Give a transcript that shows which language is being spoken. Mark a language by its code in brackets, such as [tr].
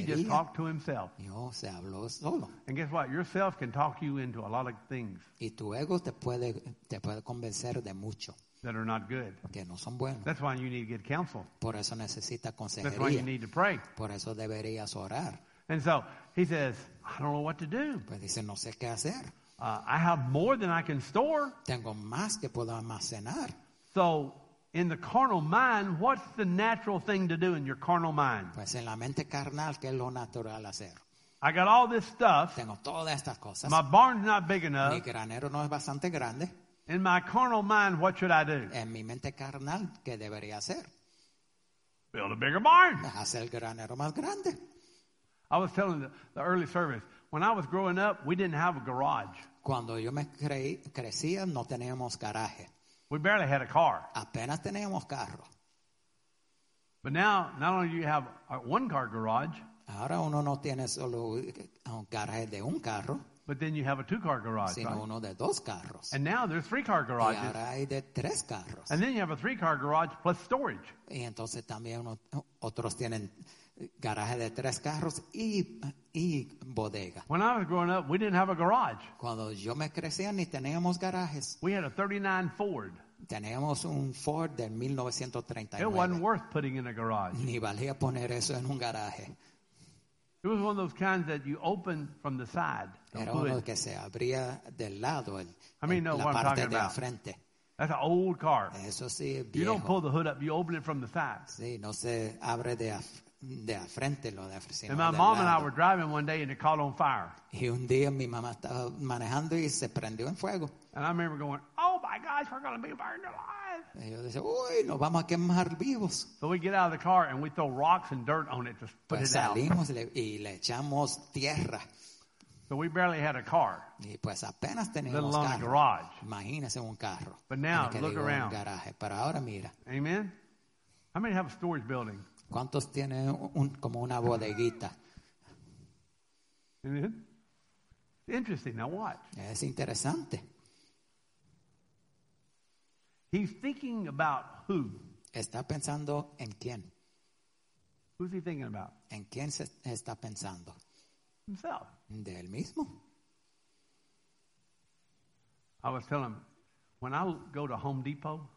[en] He just talked to himself. [es] No, se habló solo. [en] And guess what? Yourself can talk you into a lot of things. [es] Y tu ego te puede convencer de mucho. [en] That are not good. [es] Que no son buenos. [en] That's why you need to get counsel. [es] Por eso necesita consejería. [en] That's why you need to pray. [es] Por eso deberías orar. [en] And so he says, I don't know what to do. [es] Pues dice, no sé qué hacer. [en] I have more than I can store. [es] Tengo más que puedo almacenar. [en] So in the carnal mind, what's the natural thing to do in your carnal mind? [es] Pues en la mente carnal, ¿qué es lo natural hacer? [en] I got all this stuff. [es] Tengo todas estas cosas. [en] My barn's not big enough. [es] Mi granero no es bastante grande. [en] In my carnal mind, what should I do? [es] En mi mente carnal, ¿qué debería hacer? [en] Build a bigger barn. [es] Hacer el granero más grande. [en] I was telling the early service, when I was growing up, we didn't have a garage. [es] Cuando yo me crecía, no teníamos garaje. [en] We barely had a car. [es] Apenas teníamos carro. [en] But now, not only do you have a one-car garage, [es] ahora uno no tiene solo un garaje de un carro, [en] but then you have a two-car garage, [es] sino [en] right? [es] Uno de dos carros. [en] And now there's three-car garages. [es] Y ahora hay de tres carros. [en] And then you have a three-car garage plus storage. [es] Y entonces también otros tienen garaje de tres carros y bodega. [en] When I was growing up, we didn't have a garage. [es] Cuando yo me crecía, ni teníamos garajes. [en] We had a 39 Ford. [es] Teníamos un Ford de 1939. [en] It wasn't worth putting in a garage. [es] Ni valía poner eso en un garaje. [en] It was one of those kinds that you open from the side. [es] Era uno que se abría del lado, la parte de la frente. [en] That's an old car. [es] Eso sí, es viejo. [en] You don't pull the hood up, you open it from the side. [es] Sí, no se abre de a frente, lo de a frente. [en] And my mom and I were driving one day and it caught on fire. [es] Y un día mi mamá estaba manejando y se prendió en fuego. [en] And I remember going, oh my gosh, we're going to be burned alive. [es] Y yo decía, uy, nos vamos a quemar vivos. [en] So we get out of the car and we throw rocks and dirt on it to put [es] pues [en] it out. [es] Salimos y le echamos tierra. [en] So we barely had a car. [es] Y pues apenas teníamos [en] let alone [es] carro. [en] A garage. [es] Imagínese un carro. [en] But now, look around. [es] Garaje. Pero ahora mira. Amen. [en] How many have a storage building? [es] ¿Cuántos tienen como una bodeguita? [en] Amen. It's interesting. Now watch. [es] Es interesante. [en] He's thinking about who. [es] Está pensando en quién. [en] Who's he thinking about? [es] En quién se está pensando. [en] Himself. [es] De él mismo. [en] I was telling him, when I go to Home Depot.